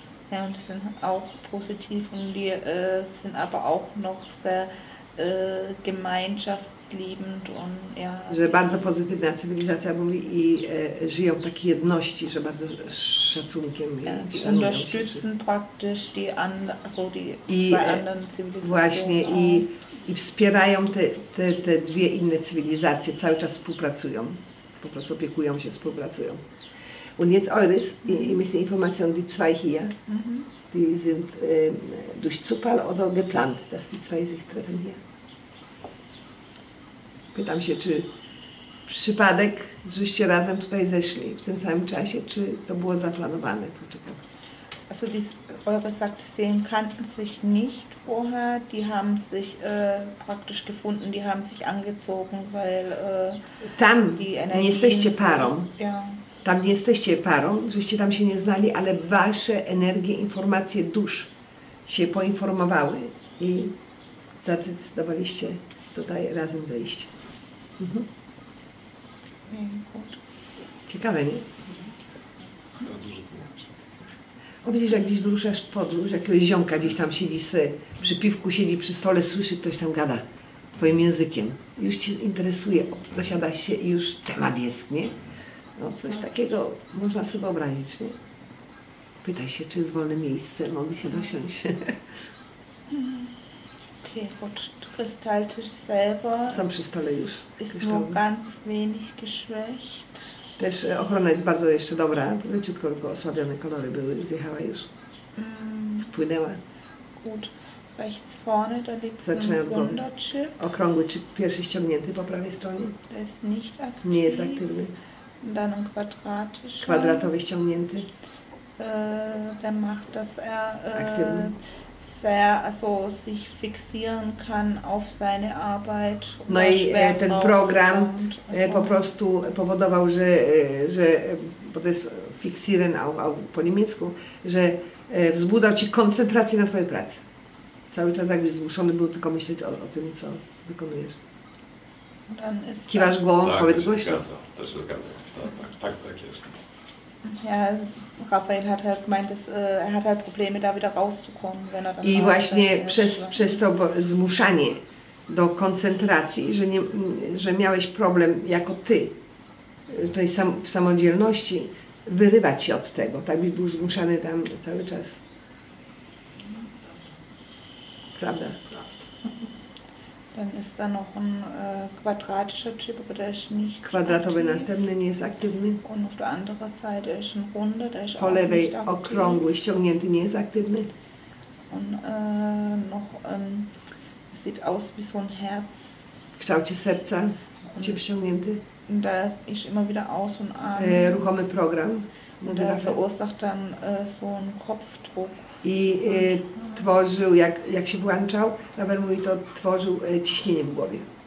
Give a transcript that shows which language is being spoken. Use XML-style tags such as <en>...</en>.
<de>Ja, und die sind auch positiv und die sind aber auch noch sehr gemeinschaftsliebend und ja.</de> <pl>Że bardzo pozytywna cywilizacja, mówi, i żyją w takiej jedności, że bardzo szacunkiem.</pl> <de>Ja, die unterstützen praktisch die zwei anderen Zivilisationen.</de> <pl>Właśnie, i wspierają te dwie inne cywilizacje, cały czas współpracują, po prostu opiekują się, współpracują.</pl> <de>Und jetzt Eures, ich möchte Informationen an die zwei hier. Die sind durch Zufall oder geplant, dass die zwei sich treffen hier?</de> <pl>Pytam się, czy przypadek, żeście razem tutaj zeszli w tym samym czasie, czy to było zaplanowane? Poczekam.</pl> <de>Also, Eure sagt, sie kannten sich nicht vorher, die haben sich praktisch gefunden, die haben sich angezogen, weil</de> <pl>tam nie jesteście parą.</pl> <de>Ja.</de> <pl>Tam nie jesteście parą, żeście tam się nie znali, ale wasze energie, informacje dusz się poinformowały i zadecydowaliście tutaj razem zejść. Ciekawe, nie? O, widzisz, jak gdzieś wyruszasz w podróż, jakiegoś ziomka gdzieś tam siedzi, przy piwku siedzi, przy stole, słyszy, ktoś tam gada twoim językiem. Już cię interesuje, dosiada się i już temat jest, nie? No coś takiego można sobie wyobrazić, nie? pyta się, czy jest wolne miejsce, mogę się dosiąść.</pl> <de>Okay, gut, du gestaltest selber.</de> <pl>Sam przy stole już.</pl> <de>Ist nur ganz wenig geschwächt.</de> <pl>Też ochrona jest bardzo jeszcze dobra. Leciutko tylko osłabione kolory były, zjechała już. Spłynęła.</pl> <de>Gut, rechts vorne, da liegt ein Wunderchip.</de> <pl>Okrągły czy pierwszy ściągnięty po prawej stronie.</pl> <de>Der ist nicht aktiv.</de> <pl>Nie jest aktywny.</pl> <de>Dann ein quadratischer.</de> <pl>Kwadratowy ściągnięty.</pl> <de>Der macht, dass er sehr, also sich fixieren kann auf seine Arbeit.</de> <pl>No i ten program po prostu powodował, że bo to jest fixieren po niemiecku, że wzbudzał ci koncentrację na twojej pracy. Cały czas jakbyś zmuszony był tylko myśleć o tym, co wykonujesz. Kiwasz głową, tak, powiedz głośno. Tak, też zgadzam. Tak, tak jest.</pl> <de>Ja. Rafael hat halt meint, er hat halt Probleme, da wieder rauszukommen, wenn er dann.</de> <pl>I właśnie przez to zmuszanie do koncentracji, że miałeś problem jako ty, tej w samodzielności, wyrywać się od tego, tak byś był zmuszany tam cały czas. Prawda?</pl> <de>Dann ist da noch ein quadratischer Chip, aber der ist nicht aktiv.</de> <pl>Kwadratowy następny nie jest aktywny.</pl> <de>Und auf der anderen Seite ist ein runder, der ist</de> <pl>po lewej okrągły, ściągnięty, nie jest aktywny.</pl> <de>Und noch, es sieht aus wie so ein Herz.</de> <pl>W kształcie serca, chip ściągnięty.</pl> <de>Und da ist immer wieder aus und an.</de> <pl>Ruchomy program.</pl> <de>Und der verursacht dann so einen Kopfdruck.</de> <pl>I tworzył, jak się włączał, Rafael mówi, to tworzył ciśnienie w głowie.</pl>